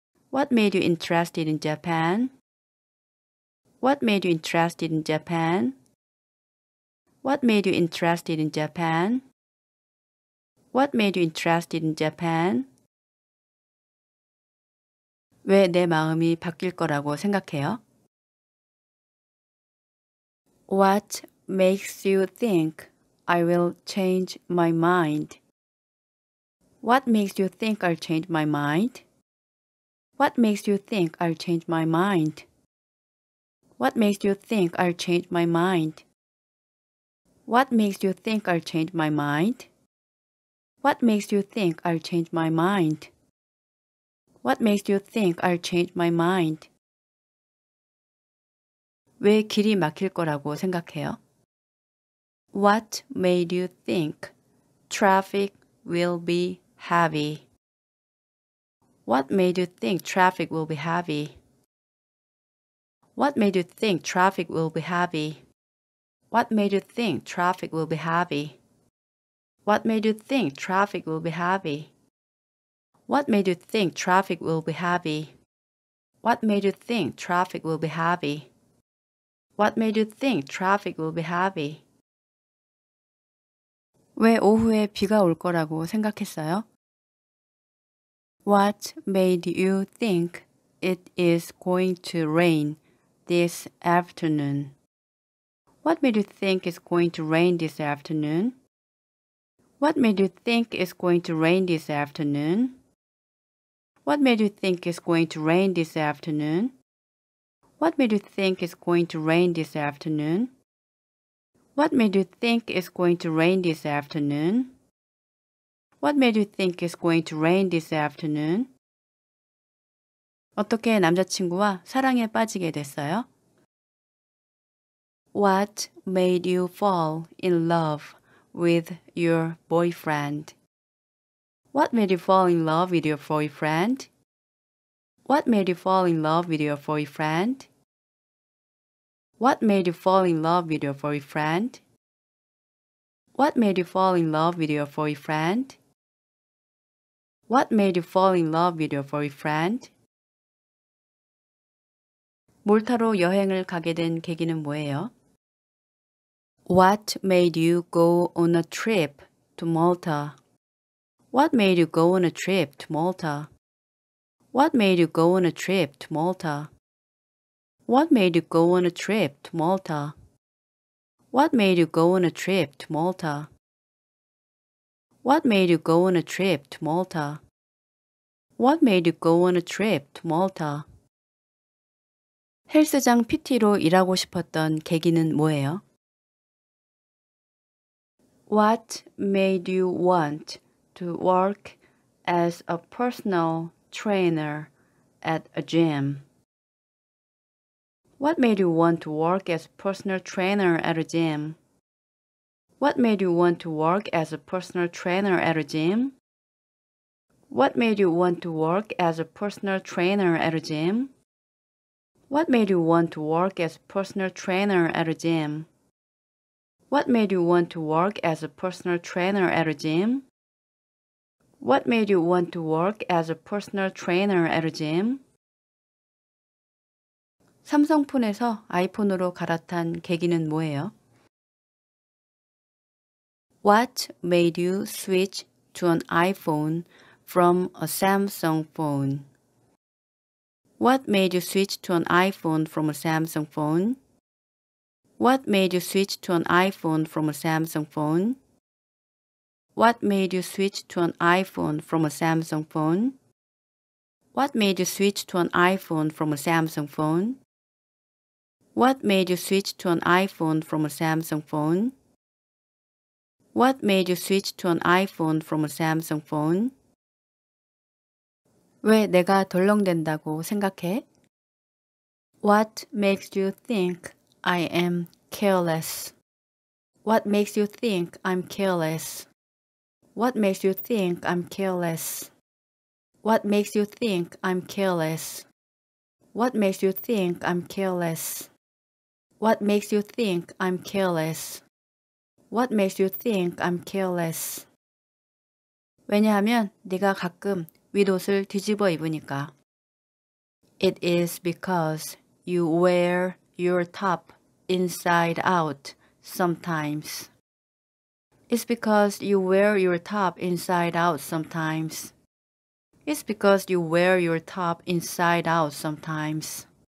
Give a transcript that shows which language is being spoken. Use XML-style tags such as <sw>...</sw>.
<en>What made you interested in Japan? What made you interested in Japan? What made you interested in Japan? What made you interested in Japan?</en> <ko>왜 내 마음이 바뀔 거라고 생각해요?</ko> <en>What makes you think I will change my mind? What makes you think I'll change my mind? What makes you think I'll change my mind? What makes you think I'll change my mind? What makes you think I'll change my mind? What makes you think I'll change my mind? What makes you think I'll change my mind?</en> <ko>왜 길이 막힐 거라고 생각해요?</ko> <en>What made you think traffic will be heavy? What made you think traffic will be heavy? What made you think traffic will be heavy? What made you think traffic will be heavy? What made you think traffic will be heavy? What made you think traffic will be heavy? What made you think traffic will be heavy? What made you think traffic will be heavy?</en> <ko>왜 오후에 비가 올 거라고 생각했어요?</ko> <en>What made you think it is going to rain this afternoon? What made you think it's going to rain this afternoon? What made you think it's going to rain this afternoon? What made you think it's going to rain this afternoon? What made you think it's going to rain this afternoon? What made you think it's going to rain this afternoon? What made you think it's going to rain this afternoon?</en> <ko>어떻게 남자친구와 사랑에 빠지게 됐어요?</ko> <en>What made you fall in love with your boyfriend? What made you fall in love with your boyfriend? What made you fall in love with your boyfriend? What made you fall in love with your boyfriend? What made you fall in love with your boyfriend? What made you fall in love with your boyfriend?</en> <ko>몰타로 여행을 가게 된 계기는 뭐예요?</ko> <en>What made you go on a trip to Malta? What made you go on a trip to Malta? What made you go on a trip to Malta? What made you go on a trip to Malta? What made you go on a trip to Malta? What made you go on a trip to Malta? What made you go on a trip to Malta?</en> <ko>헬스장 PT로 일하고 싶었던 계기는 뭐예요?</ko> <en>What made you want to work as a personal trainer at a gym? What made you want to work as a personal trainer at a gym? What made you want to work as a personal trainer at a gym? What made you want to work as a personal trainer at a gym? What made you want to work as a personal trainer at a gym? What made you want to work as a personal trainer at a gym? What made you want to work as a personal trainer at a gym?</en> <ko>삼성폰에서 아이폰으로 갈아탄 계기는 뭐예요?</ko> <en>What made you switch to an iPhone from a Samsung phone? What made you switch to an iPhone from a Samsung phone? What made you switch to an iPhone from a Samsung phone? What made you switch to an iPhone from a Samsung phone? What made you switch to an iPhone from a Samsung phone? What made you switch to an iPhone from a Samsung phone? What made you switch to an iPhone from a Samsung phone?</en> <ko>왜 내가 덜렁댄다고 생각해?</ko> <en>What makes you think I am careless? What makes you think I'm careless? What makes you think I'm careless? What makes you think I'm careless? What makes you think I'm careless? What makes you think I'm careless? What makes you think I'm careless?</en> <ko>왜냐하면 네가 가끔 윗옷을 뒤집어 입으니까.</ko> <en>It is because you wear your top inside out sometimes. It's because you wear your top inside out sometimes. It's because you wear your top inside out sometimes.</en>